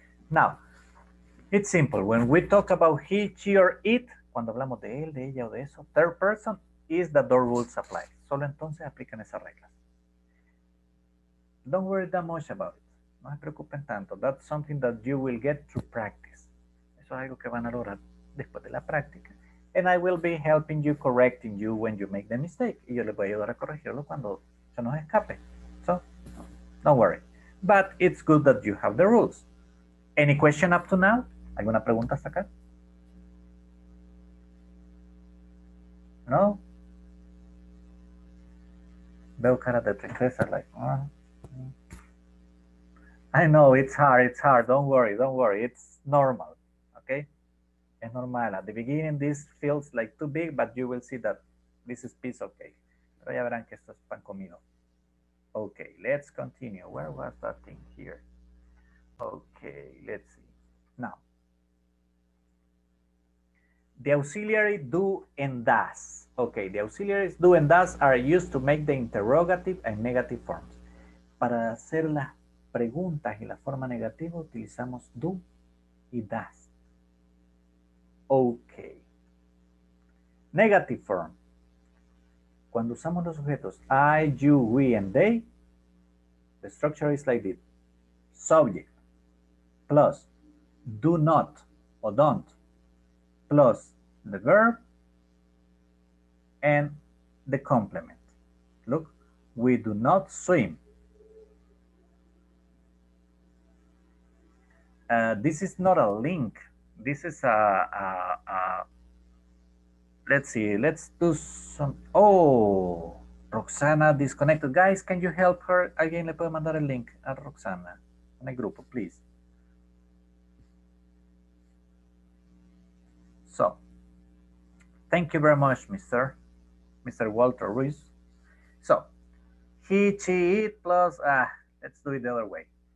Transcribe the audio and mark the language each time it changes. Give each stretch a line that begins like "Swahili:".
English: Now, it's simple. When we talk about he, she, or it,
Spanish: cuando hablamos de él, de ella o de eso,
English: third person is the door rules apply.
Spanish: Solo entonces aplican esas reglas.
English: Don't worry that much about it.
Spanish: No se preocupen tanto.
English: That's something that you will get through practice.
Spanish: Eso es algo que van a lograr después de la práctica.
English: And I will be helping you correcting you when you make the mistake.
Spanish: Y yo les voy a ayudar a corregirlo cuando se nos escape.
English: So, don't worry. But it's good that you have the rules. Any question up to now?
Spanish: ¿Alguna pregunta hasta acá?
English: No?
Spanish: Veo cara de tristeza, like, ah.
English: I know, it's hard, don't worry, it's normal, okay?
Spanish: Es normal,
English: at the beginning this feels like too big, but you will see that this is piece of cake.
Spanish: Pero ya verán que esto es pan comido.
English: Okay, let's continue. Where was that thing here? Okay, let's see. Now, the auxiliary do and does. Okay, the auxiliaries do and does are used to make the interrogative and negative forms.
Spanish: Para hacer las preguntas y la forma negativa utilizamos do y does.
English: Okay. Negative form.
Spanish: Cuando usamos los sujetos
English: I, you, we, and they, the structure is like this. Subject plus do not or don't plus the verb and the complement. Look, we do not swim. This is not a link. This is a let's see, let's do some. Oh, Roxana disconnected. Guys, can you help her?
Spanish: Again, le puedo mandar el link a Roxana en el grupo, please.
English: So, thank you very much, Mr. Walter Ruiz. So, he, she, it plus, let's do it the other way.